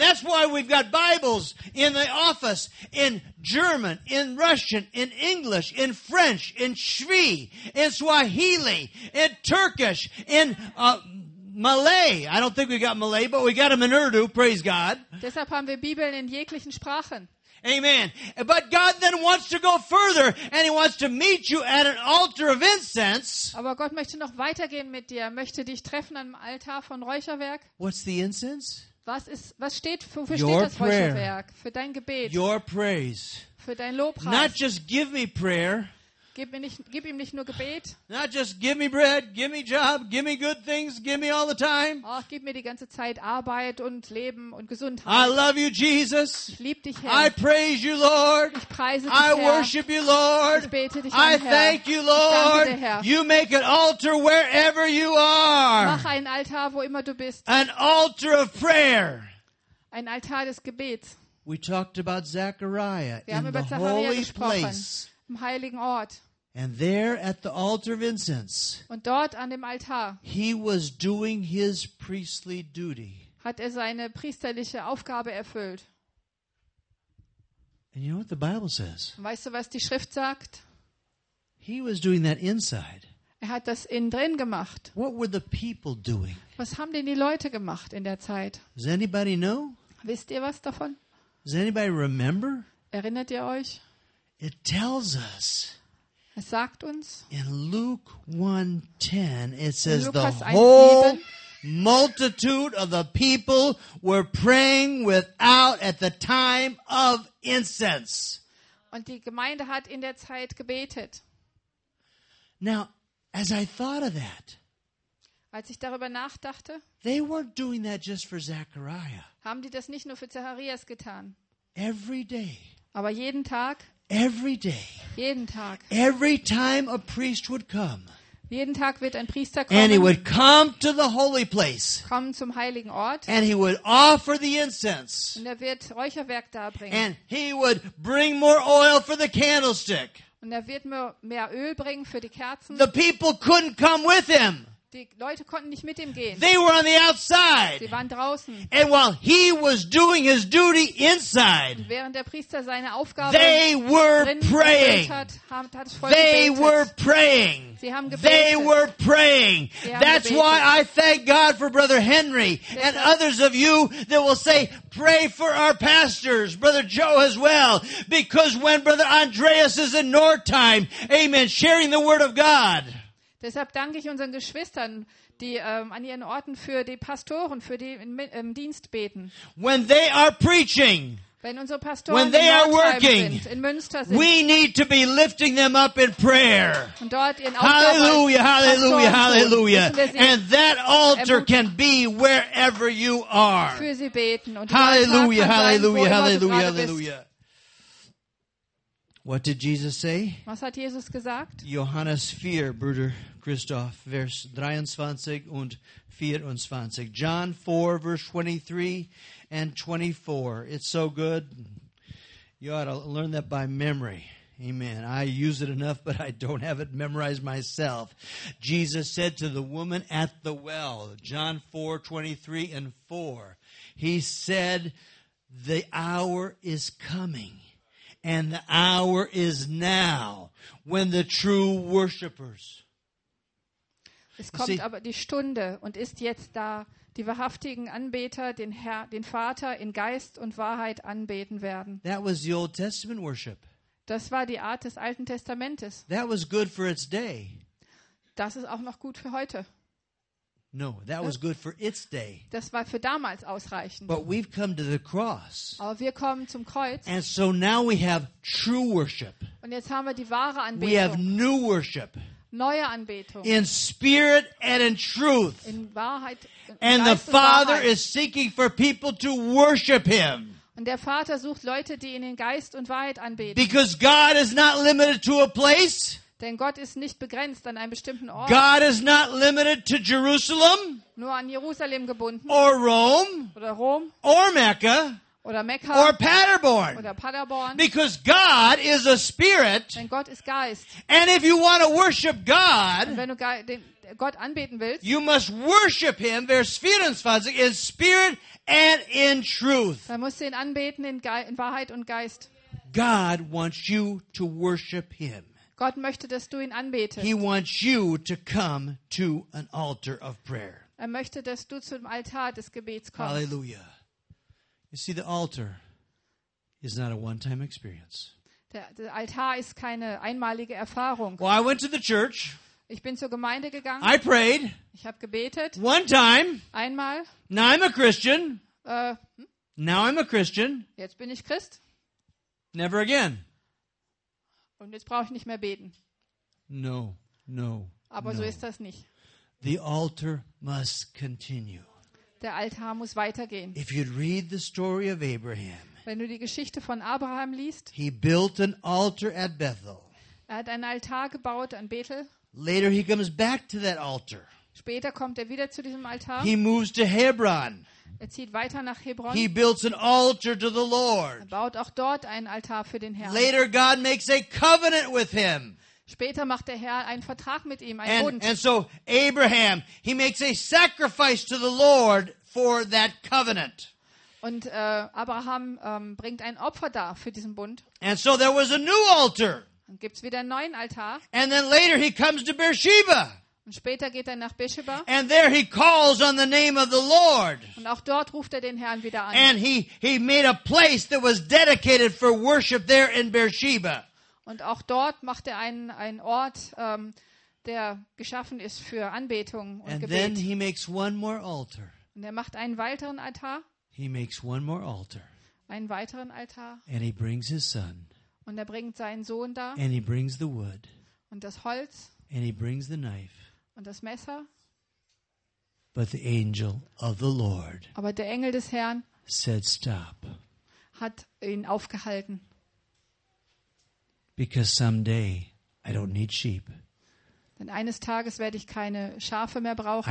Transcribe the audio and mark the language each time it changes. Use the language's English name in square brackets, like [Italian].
[English] That's why we've got Bibles in the office in German, in Russian, in English, in French, in Shvi, in Swahili, in Turkish, in Malay. I don't think we got Malay, but we got them in Urdu, praise God. [German] Deshalb haben wir Bibeln in jeglichen Sprachen. Amen. [English] But God then wants to go further and he wants to meet you at an altar of incense. [German] Aber Gott möchte noch weitergehen mit dir, möchte dich treffen am Altar von Räucherwerk. [English] What's the incense? [German] Wofür steht das Räucherwerk? Für dein Gebet. [English] Your praise. [German] Für dein Lobpreis. [English] Not just give me prayer. [German] Gib ihm nicht nur Gebet. [English] Not just give me bread, give me job, give me good things, give me all the time. [German] Ach, gib mir die ganze Zeit Arbeit und Leben und Gesundheit. [English] I love you, Jesus. [German] Ich liebe dich, Herr. [English] I praise you, Lord. [German] Ich preise dich, [English] I I worship you, Lord. [German] Ich bete dich, [English] I [German] Herr. [English] I thank you, Lord. [German] Danke, Herr. [English] You make an altar wherever you are. [German] Mach ein Altar, wo immer du bist. [English] An altar of prayer. [German] Ein Altar des Gebets. [English] We talked about Zechariah in the holy place. [German] Im heiligen Ort. [English] And there at the altar of incense, [German] und dort an dem Altar, [English] he was doing his priestly duty. [German] Hat er seine priesterliche Aufgabe erfüllt. [English] And you know what the Bible says? [German] Weißt du, was die Schrift sagt? [English] He was doing that inside. [German] Er hat das innen drin gemacht. [English] What were the people doing? [German] Was haben denn die Leute gemacht in der Zeit? [English] Does anybody know? [German] Wisst ihr was davon? [English] Does anybody remember? [German] Erinnert ihr euch? [English] It tells us. [German] Es sagt uns. [English] In Luke 1:10 it says the whole multitude of the people were praying without at the time of incense. [German] Und die Gemeinde hat in der Zeit gebetet. [English] Now, as I thought of that. [German] Als ich darüber nachdachte. [English] They weren't doing that just for Zechariah. [German] Haben die das nicht nur für Zacharias getan? [English] Every day. [German] Aber jeden Tag. [English] Every day. [German] Jeden Tag. [English] Every time a priest would come. [German] Jeden Tag wird ein Priester kommen. [English] And he would come to the holy place. [German] Kommen zum heiligen Ort. [English] And he would offer the incense. [German] Und er wird Räucherwerk darbringen. [English] And he would bring more oil for the candlestick. [German] Und er wird mehr Öl bringen für die Kerzen. [English] The people couldn't come with him. [German] Die Leute konnten nicht mit ihm gehen. [English] They were on the outside. [German] Sie waren draußen. [English] And while he was doing his duty inside, [German] während der Priester seine Aufgabe [English] they were praying. [German] Hat es voll [English] they [German] gebetet. [English] Were praying. [German] Sie haben gebetet. [English] They were praying. [German] Sie haben [English] That's [German] gebetet. [English] Why I thank God for Brother Henry and others of you that will say, pray for our pastors, Brother Joe as well. Because when Brother Andreas is in Nordheim, amen, sharing the word of God, [German] deshalb danke ich unseren Geschwistern, die an ihren Orten für die Pastoren, für die im Dienst beten. [English] When they are preaching, [German] wenn unsere Pastoren in Nordheim sind, in Münster sind, [English] we need to be lifting them up in prayer. [German] Und dort ihren Hallelujah, hallelujah, hallelujah. [English] And that altar can be wherever you are. [German] Für sie beten. Und [English] hallelujah, hallelujah, hallelujah, hallelujah. What did Jesus say? [German] Was hat Jesus gesagt? Johannes 4, Bruder Christoph, Vers 23 und 24. [English] John 4, verse 23 and 24. It's so good. You ought to learn that by memory. Amen. I use it enough, but I don't have it memorized myself. Jesus said to the woman at the well, John 4, 23 and 4. He said, the hour is coming. And the hour is now when the true worshipers. [German] Es kommt see, aber die Stunde und ist jetzt da, die wahrhaftigen Anbeter, den Herr, den Vater in Geist und Wahrheit anbeten werden. [English] That was the Old Testament worship. [German] Das war die Art des Alten Testamentes. [English] That was good for its day. [German] Das ist auch noch gut für heute. [English] No, that was good for its day. [German] Das war für damals ausreichend. [English] But we've come to the cross. [German] Aber wir kommen zum Kreuz. [English] And so now we have true worship. [German] Und jetzt haben wir die wahre Anbetung. [English] We have new worship. [German] Neue Anbetung. [English] In spirit and in truth. [German] In Wahrheit. [English] And the Father is seeking for people to worship him. [German] Und der Vater sucht Leute, die ihn in Geist und Wahrheit anbeten. [English] Because God is not limited to a place. [German] Denn Gott ist nicht begrenzt an einem bestimmten Ort. [English] God is not limited to Jerusalem. [German] Nur an Jerusalem gebunden. [English] Or Rome. [German] Oder Rom. [English] Or Mecca. [German] Oder Mekka. [English] Or Paderborn. [German] Oder Paderborn. [English] Because God is a spirit. [German] Denn Gott ist Geist. [English] And if you want to worship God, [German] und wenn du Gott anbeten willst, [English] you must worship him, [German] Vers 24, [English] in spirit and in truth. [German] Dann musst du ihn anbeten in Wahrheit und Geist. [English] God wants you to worship him. [German] Gott möchte, dass du ihn anbetest. [English] He wants you to come to an altar of prayer. [German] Er möchte, dass du zum Altar des Gebets kommst. [English] Hallelujah. You see, the altar is not a one-time experience. [German] Der Altar ist keine einmalige Erfahrung. [English] Well, I went to the church. [German] Ich bin zur Gemeinde gegangen. [English] I prayed. [German] Ich habe gebetet. [English] One time. [German] Einmal. [English] Now I'm a Christian. Now I'm a Christian. [German] Jetzt bin ich Christ. [English] Never again. [German] Und jetzt brauche ich nicht mehr beten. [English] No, no. [German] Aber so ist das nicht. [English] The altar must continue. [German] Der Altar muss weitergehen. [English] If you read the story of Abraham. [German] Wenn du die Geschichte von Abraham liest. [English] He built an altar at Bethel. [German] Er hat einen Altar gebaut an Bethel. [English] Later he comes back to that altar. [German] Später kommt er wieder zu diesem Altar. [English] He moves to Hebron. [German] Er zieht weiter nach Hebron. [English] He builds an altar to the Lord. [German] Er baut auch dort einen Altar für den Herrn. [English] Later God makes a covenant with him. [German] Später macht der Herr einen Vertrag mit ihm, einen Bund. [English] And so Abraham, he makes a sacrifice to the Lord for that covenant. [German] Und Abraham bringt ein Opfer dar für diesen Bund. [English] And so there was a new altar. [German] Dann gibt's wieder einen neuen Altar. [English] And then later he comes to Beersheba. [German] Und später geht er nach Beersheba. [English] And there he calls on the name of the Lord. [German] Und auch dort ruft er den Herrn wieder an. [English] And he made a place that was dedicated for worship there in Beersheba. [German] Und auch dort macht er einen Ort, der geschaffen ist für Anbetung und [English] and [German] Gebet. [English] Then he makes one more altar. [German] Und er macht einen weiteren Altar. [English] He makes one more altar. [German] Einen weiteren Altar. [English] And he brings his son. [German] Und er bringt seinen Sohn da. [English] And he brings the wood. [German] Und das Holz. [English] And he brings the knife. [German] Und das Messer. [English] But the angel of the Lord. [German] Aber der Engel des Herrn. [English] Said stop. [German] Hat ihn aufgehalten. [English] Because someday I don't need sheep. [German] Denn eines Tages werde ich keine Schafe mehr brauchen.